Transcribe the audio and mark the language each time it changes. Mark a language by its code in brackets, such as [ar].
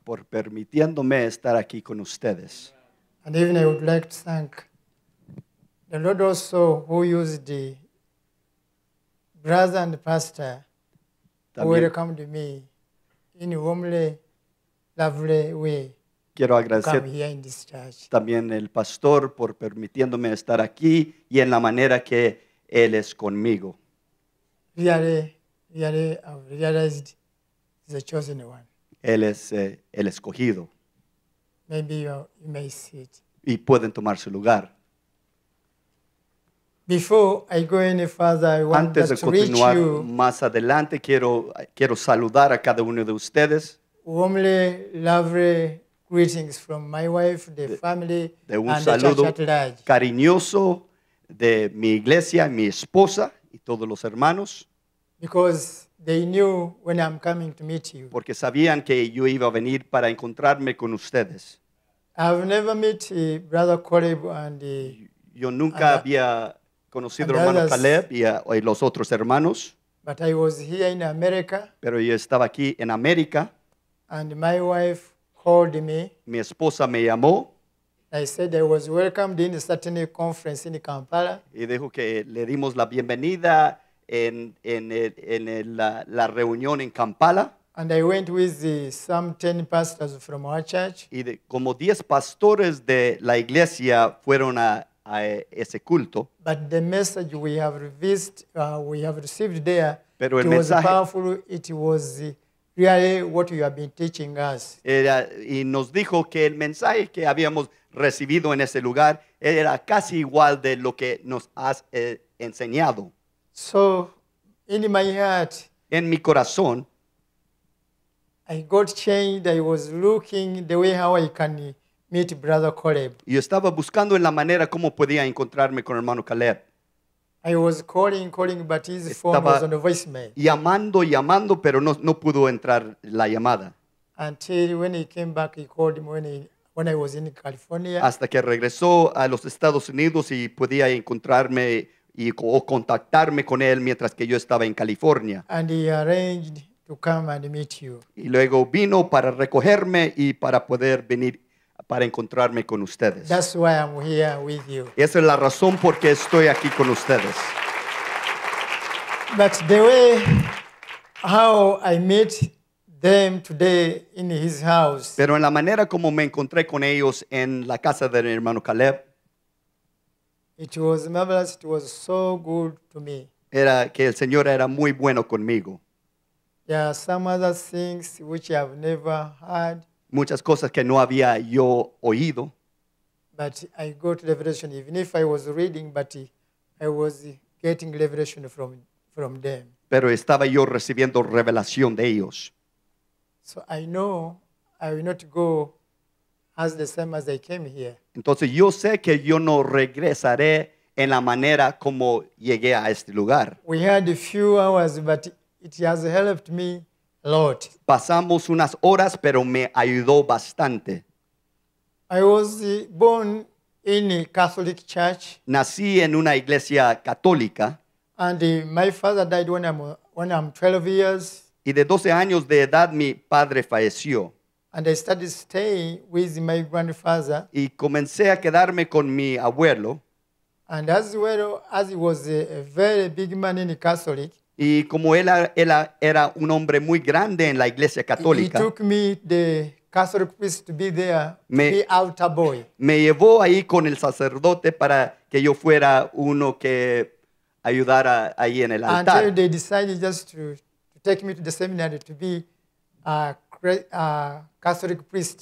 [es] Por permitiéndome estar aquí con ustedes. [en] And even I would like to thank the Lord also who used the brother and pastor [es] también [en] who welcomed me in a homely, lovely way. [es] Quiero agradecer [en] come here in this church. [es] También el pastor por permitiéndome estar aquí y en la manera que él es conmigo. [en] Really, I've realized he's the chosen one. [es] Él es el escogido. [en] Maybe you may see it. [es] Y pueden tomar su lugar. [en] Before I go any further, I want [es] antes de continuar [en] to [es] más adelante, quiero saludar a cada uno de ustedes. [en] Warmly, lovely greetings from my wife, the family, [es] de un [en] and [es] saludo [en] the church at large. [es] Cariñoso de mi iglesia, mi esposa y todos los hermanos. [en] Because they knew when I'm coming to meet you. [es] Porque sabían que yo iba a venir para encontrarme con ustedes. [en] I've never met Brother Caleb and [es] yo nunca and había conocido al hermano Caleb y los otros hermanos. [en] But I was here in America. [es] Pero yo estaba aquí en América. [en] And my wife called me. [es] Mi esposa me llamó. [en] I said I was welcomed in a certain conference in Kampala. [es] Y dijo que le dimos la bienvenida en la reunión en Kampala. [en] And I went with some 10 pastors from our church. [es] Y de, como 10 pastores de la iglesia fueron a ese culto. [en] But the message we have received there, [es] pero [en] it was powerful. It was really what you have been teaching us. [es] Era, y nos dijo que el mensaje que habíamos recibido en ese lugar era casi igual de lo que nos has enseñado. [en] So, in my heart, [es] en mi corazón, [en] I got changed. I was looking the way how I can meet Brother Caleb. [es] Yo estaba buscando en la manera como podía encontrarme con hermano Caleb. [en] I was calling, but his [es] estaba [en] phone was on the voicemail. [es] Llamando, pero no pudo entrar la llamada. [en] Until when he came back, he called me when I was in California. [es] Hasta que regresó a los Estados Unidos y podía encontrarme o contactarme con él mientras que yo estaba en California. [en] And he arranged to come and meet you. [es] Y luego vino para recogerme y para poder venir para encontrarme con ustedes. [en] That's why I'm here with you. [es] Esa es la razón por qué estoy aquí con ustedes. [en] But the way how I meet them today in his house. [es] Pero en la manera como me encontré con ellos en la casa del hermano Caleb. [en] It was marvelous. It was so good to me. [es] Era que el Señor era muy bueno conmigo. [en] There are some other things which I have never heard. [es] Muchas cosas que no había yo oído. [en] But I got revelation. Even if I was reading, but I was getting revelation from them. [es] Pero estaba yo recibiendo revelación de ellos. [en] So I know I will not go as the same as I came here. [es] Entonces yo sé que yo no regresaré en la manera como llegué a este lugar. [en] We had a few hours, but it has helped me a lot. [es] Pasamos unas horas, pero me ayudó bastante. [en] I was born in a Catholic church. [es] Nací en una iglesia católica. [en] And my father died when I'm 12 years. [es] Y de 12 años de edad mi padre falleció. [en] And I started staying with my grandfather. [es] Y comencé a quedarme con mi abuelo. [en] And as well as he was a very big man in the Catholic. [es] Y como él era un hombre muy grande en la iglesia católica. [en] He took me the Catholic priest to be there, to be altar boy. [es] Me llevó ahí con el sacerdote para que yo fuera uno que ayudara ahí en el altar. [en] Until they decided just to take me to the seminary to be a Catholic priest.